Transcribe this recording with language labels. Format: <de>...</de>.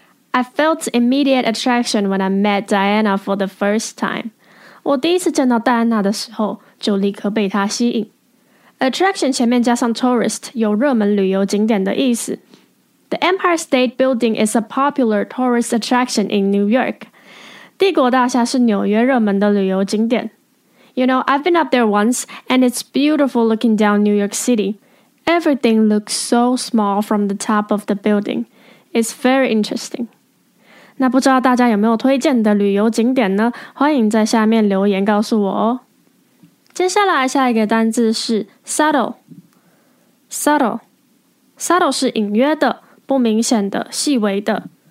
<en>I felt immediate attraction when I met Diana for the first time.</en> <zh>我第一次见到戴安娜的时候就立刻被她吸引。 Attraction 前面加上 tourist 有热门旅游景点的意思。</zh> <en>The Empire State Building is a popular tourist attraction in New York.</en> <zh>帝国大厦是纽约热门的旅游景点。</zh> <en>You know, I've been up there once and it's beautiful looking down New York City. Everything looks so small from the top of the building. It's very interesting.</en> <zh>那不知道大家有没有推荐的旅游景点呢？欢迎在下面留言告诉我哦。接下来下一个单字是 subtle. Subtle. Subtle 是隐约的、不明显的、细微的。</zh>